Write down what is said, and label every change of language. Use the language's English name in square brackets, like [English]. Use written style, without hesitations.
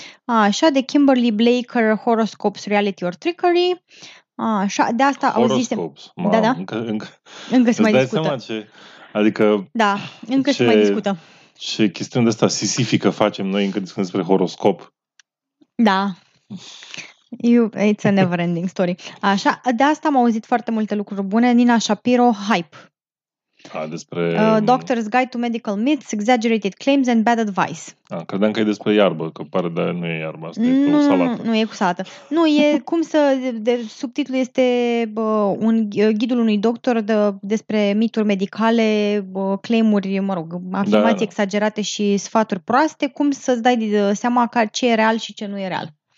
[Romanian] Așa, de Kimberly Blaker, Horoscopes, Reality or Trickery. Așa, de asta [English] Horoscopes. [Romanian] Auzise... Da, da. Încă se mai discută. Seama ce... Adică... Da, încă se mai discută. Ce chestiune de asta sisifică facem noi încă discutând despre horoscop. Da. [English] It's a never ending story. [Romanian] Așa, de asta am auzit foarte multe lucruri bune. Nina Shapiro, Hype. A, despre... [English] Doctor's Guide to Medical Myths, Exaggerated Claims and Bad Advice. [Romanian] A, credeam că e despre iarbă, că pare de nu e iarbă, asta nu, e cu salată. Nu, nu e cu salată. Nu, e cum să... De, subtitlul este un ghidul unui doctor despre mituri medicale, claimuri, mă rog, afirmații da, exagerate și sfaturi proaste, cum să-ți dai seama ce e real și ce nu e real.